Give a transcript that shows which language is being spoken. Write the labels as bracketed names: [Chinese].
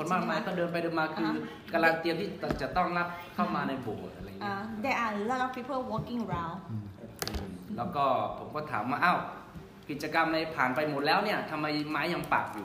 [Thai] คนมากมายก็เดินไปเดินมาคือกำลังเตรียมที่จะต้องรับเข้ามาในโบสถ์อะไรอย่างเงี้ ย [English] There are a lot of people walking around [Thai] แล้วก็ผมก็ถามว่าอ้าวกิจกรรมอะไรผ่านไปหมดแล้วเนี่ยทำไมไม้ยังปักอยู